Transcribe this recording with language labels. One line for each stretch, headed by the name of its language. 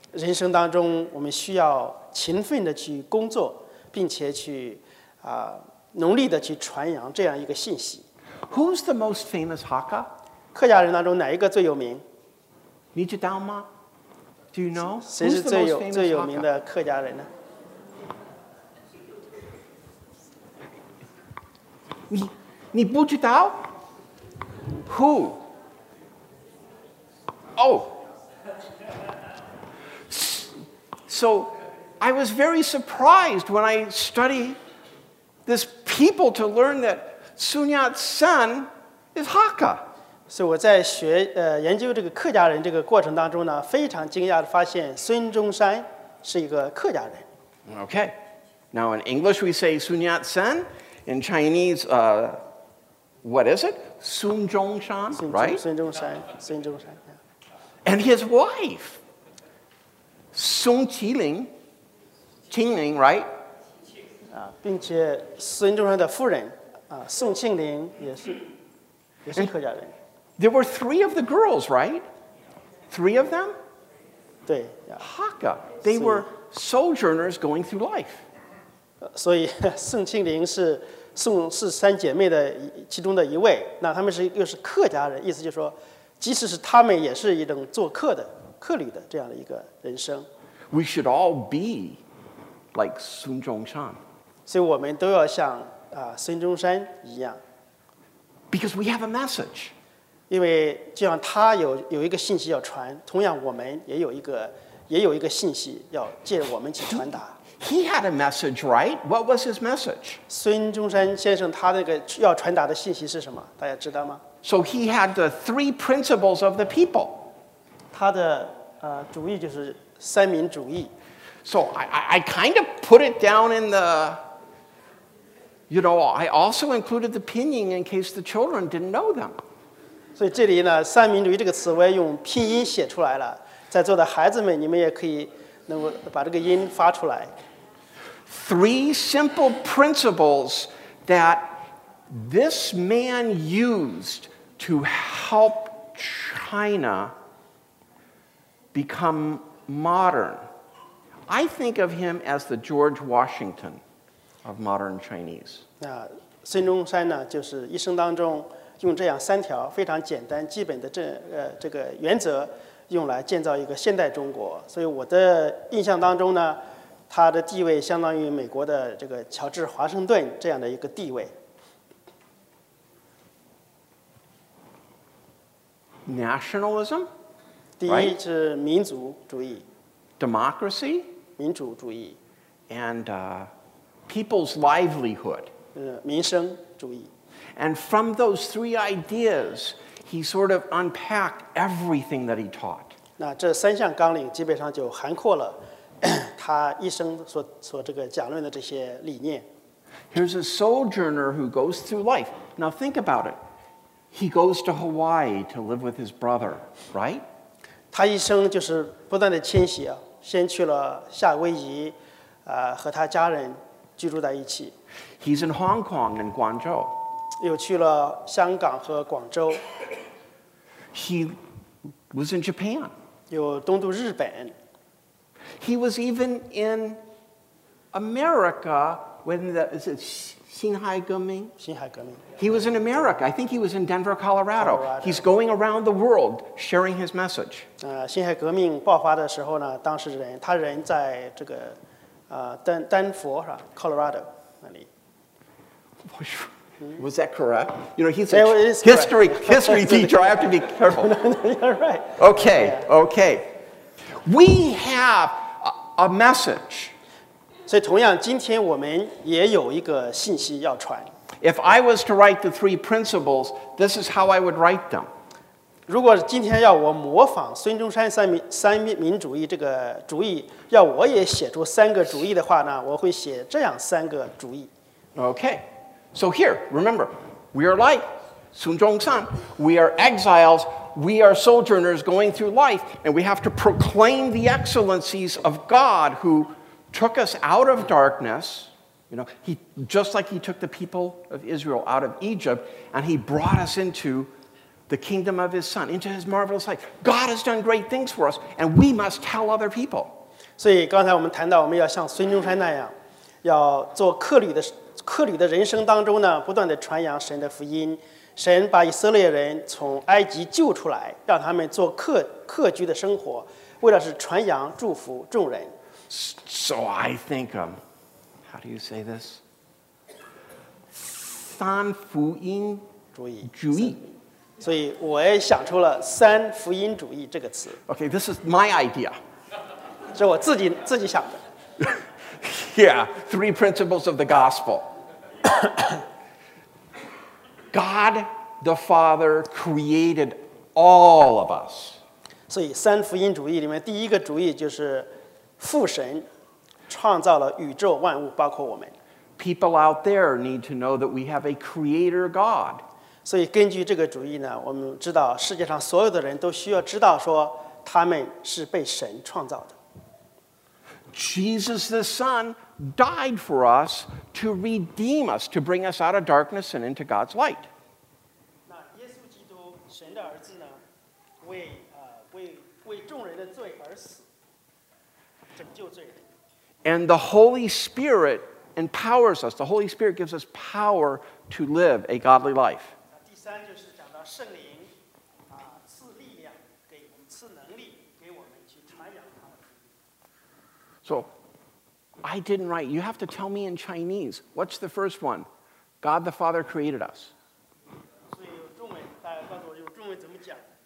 Chinese: 人生当中我们需要勤奋地去工作，并且去努力地去传扬这样一个信息。
English: Who's the most famous Hakka?
Chinese: 客家人当中哪一个最有名？你知道吗？
English: Do you know?
Chinese: 谁是最有名的客家人呢？你不知道 ？
English: Who? Oh. So, I was very surprised when I study this people to learn that Sun Yat-sen is Hakka.
Chinese: So 我在学研究这个客家人这个过程当中呢，非常惊讶的发现孙中山是一个客家人。
English: Okay. Now in English we say Sun Yat-sen. In Chinese, what is it? Sun Zhongshan, right? Sun Zhongshan, Sun Zhongshan. And his wife, Sun Qiling, Qingling, right?
Chinese: 并且孙中山的夫人宋庆龄也是客家人。
English: There were three of the girls, right? Three of them?
Chinese: 对、yeah.
English: Hakka, they were sojourners going through life.
Chinese: 所以宋庆龄是宋氏三姐妹的其中的一位，那他们又是客家人，意思就是说即使是他们也是一种做客的客旅的这样的一个人生。
English: We should all be like Sun Zhongshan.
Chinese: 所以我们都要像孙中山一样。
English: Because we have a message.
Chinese: 因为就像他有一个信息要传，同样我们也有一个信息要借我们去传达。
English: He had a message, right? What was his message?
Chinese: 孙中山先生他那个要传达的信息是什么？大家知道吗？
English: So he had the three principles of the people.
Chinese: 他的主义就是三民主义。
English: So I kind of put it down in the, you know, I also included the pinyin in case the children didn't know them.
Chinese: 所以这里呢，三民主义这个词我也用拼音写出来了，在座的孩子们，你们也可以。能够把这个音发出来。
English: Three simple principles that this man used to help China become modern. I think of him as the George Washington of modern Chinese.
Chinese: 孙中山呢，就是一生当中用这样三条非常简单基本的这个原则，用来建造一个现代中国。所以我的印象当中呢，他的地位相当于美国的这个乔治华盛顿这样的一个地位。
English: Nationalism，
Chinese: 第一是民族主义。
English: Democracy，
Chinese: 民主主义。
English: And people's livelihood。
Chinese: 民生主义。
English: And from those three ideas, he sort of unpacked everything that he taught.
Chinese: 那这三项纲领基本上就涵括了他一生所这个讲论的这些理念。
English: Here's a sojourner who goes through life. Now think about it. He goes to Hawaii to live with his brother, right?
Chinese: 他一生就是不断的迁徙，先去了夏威夷，和他家人居住在一起。
English: He's in Hong Kong and Guangzhou.
Chinese: 又去了香港和广州。
English: He was in Japan.
Chinese: 又东渡日本。
English: He was even in America when the, is it Xinhai 革命?
Chinese: 辛亥革命。
English: He was in America. I think he was in Denver, Colorado. Colorado. He's going around the world sharing his message.
Chinese: 辛亥革命爆发的时候呢，当时人，他人在这个丹佛是吧 ？Colorado 那里。
English: Was that correct? You know, he's a history teacher. I have to be careful. You're right. Okay, okay. We have a message.
Chinese: 所以同样，今天我们也有一个信息要传。
English: If I was to write the three principles, this is how I would write them.
Chinese: 如果今天要我模仿孙中山三民主义这个主义，要我也写出三个主义的话呢，我会写这样三个主义。
English: Okay. So here, remember, we are like Sun Zhongshan. We are exiles. We are sojourners going through life, and we have to proclaim the excellencies of God who took us out of darkness. You know, he, just like he took the people of Israel out of Egypt, and he brought us into the kingdom of his son, into his marvelous life. God has done great things for us, and we must tell other people.
Chinese: 所以刚才我们谈到，我们要像孙中山那样，要做客旅的人生当中呢，不断地传扬神的福音。神把以色列人从埃及救出来，让他们做客居的生活，为了是传扬祝福众人。
English: So I think, how do you say this?
Chinese: 三福音主义。所以我也想出了三福音主义这个词。
English: Okay, this is my idea.
Chinese: 是我自己想的。
English: Yeah, three principles of the gospel. God the Father created all of us.
Chinese: 所以三福音主义里面第一个主义就是父神创造了宇宙万物，包括我们。
English: People out there need to know that we have a creator God.
Chinese: 所以根据这个主义呢，我们知道世界上所有的人都需要知道说他们是被神创造的。
English: Jesus the Son died for us to redeem us, to bring us out of darkness and into God's light.
Chinese: 那耶稣基督神的儿子呢，为众人的罪而死，拯救罪人。
English: And the Holy Spirit empowers us. The Holy Spirit gives us power to live a godly life.
Chinese: 第三就是讲到圣灵赐力量给我们，赐能力给我们去传扬他的福音。
English: So. I didn't write. You have to tell me in Chinese. What's the first one? God the Father created us.
Chinese: 所以有中文，大家告诉我有中文怎么讲？